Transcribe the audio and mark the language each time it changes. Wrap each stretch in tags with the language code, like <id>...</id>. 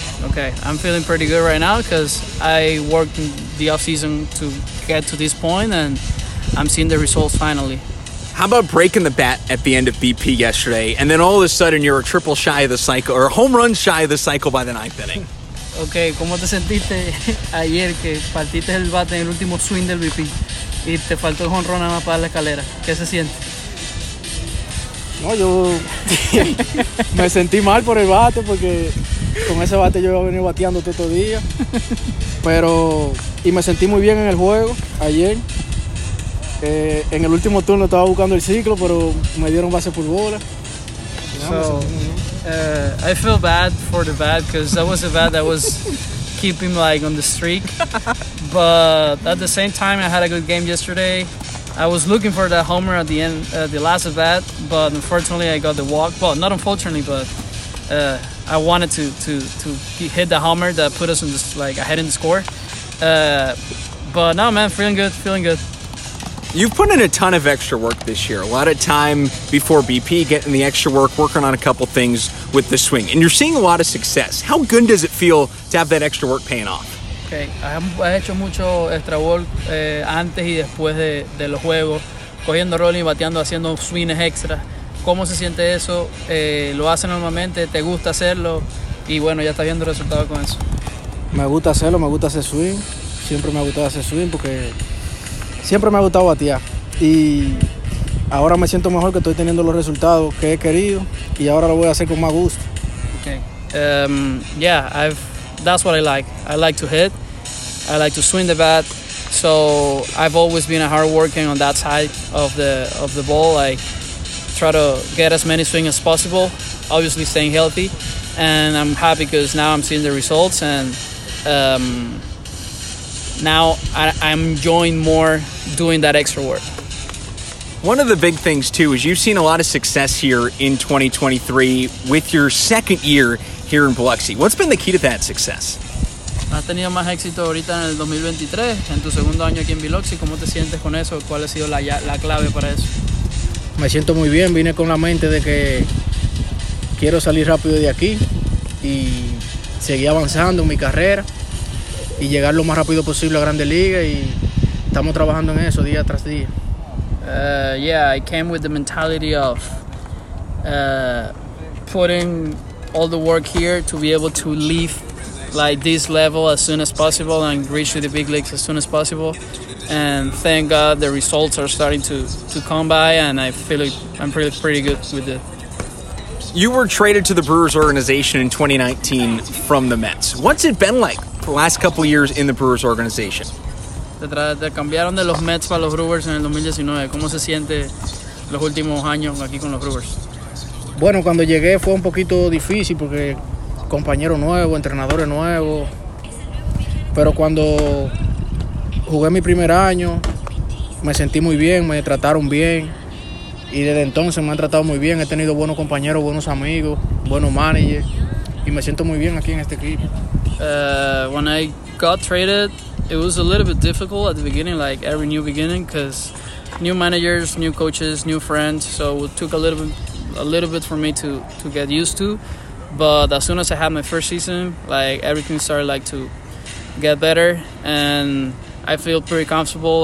<en>Okay, I'm feeling pretty good right now because I worked in the offseason to get to this point and I'm seeing the results finally. How about breaking the bat at the end of BP yesterday and then all of a sudden you're a triple shy of the cycle or a home run shy of the cycle by the ninth inning?</en> <es>Okay, ¿cómo te sentiste ayer que partiste el bat en el último swing del BP y te faltó el home run nada más para la escalera? ¿Qué se siente? No, yo me sentí mal por el bate porque con ese bate yo iba a venir bateando todo el día. Pero, y me sentí muy bien en el juego ayer. En el último turno estaba buscando el ciclo, pero me dieron base por bola.</es> <en>So, I feel bad for the bat because that was a bat that was keeping like on the streak. But at the same time, I had a good game yesterday. I was looking for that homer at the end, the last at bat, but unfortunately I got the walk. Well, not unfortunately, but I wanted to hit the homer that put us in this, like ahead in the score. But no, man, feeling good. You've put in a ton of extra work this year. A lot of time before BP, getting the extra work, working on a couple things with the swing, and you're seeing a lot of success. How good does it feel to have that extra work paying off? Okay.</en> <es>He hecho mucho extra work antes y después de los juegos, cogiendo rolling, bateando, haciendo swings extra. ¿Cómo se siente eso? ¿Lo hace normalmente? ¿Te gusta hacerlo? Y bueno, ya está viendo resultados con eso. Me gusta hacerlo, me gusta hacer swing. Siempre me ha gustado hacer swing porque siempre me ha gustado batear. Y ahora me siento mejor que estoy teniendo los resultados que he querido y ahora lo voy a hacer con más gusto.</es> <en>Okay. That's what I like. I like to hit. I like to swing the bat. So I've always been a hard working on that side of the ball. I try to get as many swings as possible, obviously staying healthy. And I'm happy because now I'm seeing the results. And now I'm enjoying more doing that extra work. One of the big things, too, is you've seen a lot of success here in 2023 with your second year here in Biloxi. What's been the key to that success?</en> <es>Has tenido más éxito ahorita en el 2023, en tu segundo año aquí en Biloxi. ¿Cómo te sientes con eso? ¿Cuál ha sido la clave para eso? Me siento muy bien. Vine con la mente de que quiero salir rápido de aquí y seguir avanzando en mi carrera y llegar lo más rápido posible a Grandes Ligas. Y estamos trabajando en eso día tras día.</es> <en>I came with the mentality of putting all the work here to be able to leave like this level as soon as possible and reach the big leagues as soon as possible. And thank God the results are starting to come by, and I feel like I'm pretty good with it. You were traded to the Brewers organization in 2019 from the Mets. What's it been like the last couple years in the Brewers organization?</en> <es>Te cambiaron de los Mets para los Brewers en el 2019. ¿Cómo se siente los últimos años aquí con los Brewers? Bueno, cuando llegué fue un poquito difícil porque compañero nuevo, entrenadores nuevos. Pero cuando jugué mi primer año, me sentí muy bien, me trataron bien. Y desde entonces me han tratado muy bien. He tenido buenos compañeros, buenos amigos, buenos managers. Y me siento muy bien aquí en este equipo.</es> <en>When I got traded, it was a little bit difficult at the beginning, like every new beginning, because new managers, new coaches, new friends. So it took a little bit for me to get used to, but as soon as I had my first season, like everything started like to get better, and I feel pretty comfortable.</en>